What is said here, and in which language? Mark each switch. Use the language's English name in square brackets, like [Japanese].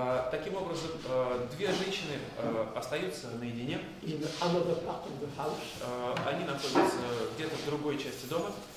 [Russian] Таким образом, две женщины остаются наедине. [English] In another part of the house. [Russian] Они находятся где-то в другой части дома.